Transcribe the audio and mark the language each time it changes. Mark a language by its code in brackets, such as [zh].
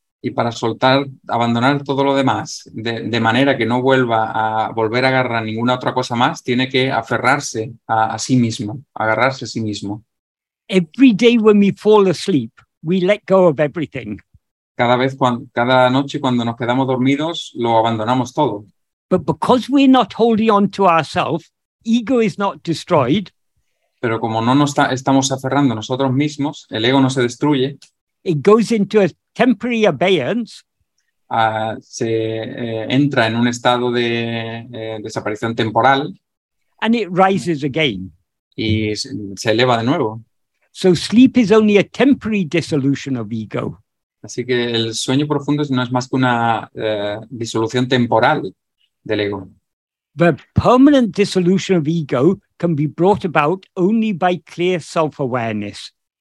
[es] Y para soltar, abandonar todo lo demás, de manera que no vuelva a volver a agarrar ninguna otra cosa más, tiene que aferrarse a sí mismo, agarrarse a sí mismo. [en] Every day when we fall asleep, we let go of everything. [es] Cada noche cuando nos quedamos dormidos, lo abandonamos todo. [en] But because we're not holding on to ourselves, ego is not destroyed. [es] Pero como no nos estamos aferrando a nosotros mismos, el ego no se destruye. [en] It goes into a temporary abeyance. [es] Se entra en un estado de desaparición temporal. [en] And it rises again. [es] Y se eleva de nuevo. [en] So sleep is only a temporary dissolution of ego. [es] Así que el sueño profundo no es más que una disolución temporal del ego. [en] The permanent dissolution of ego can be brought about only by clear self-awareness.